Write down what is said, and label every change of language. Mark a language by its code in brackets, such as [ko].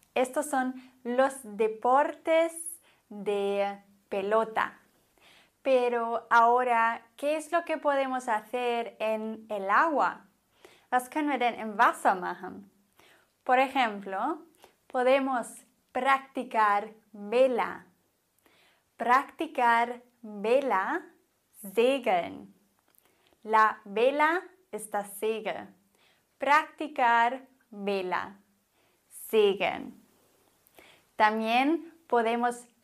[es] Estos son los deportes de pelota. Pero ahora, ¿qué es lo que podemos hacer en el agua? [de] ¿Was können wir denn im Wasser machen? [es] Por ejemplo, podemos practicar vela. Practicar vela. Segeln. La vela [de] ist das Segel. [es] Practicar vela. Segeln. También podemos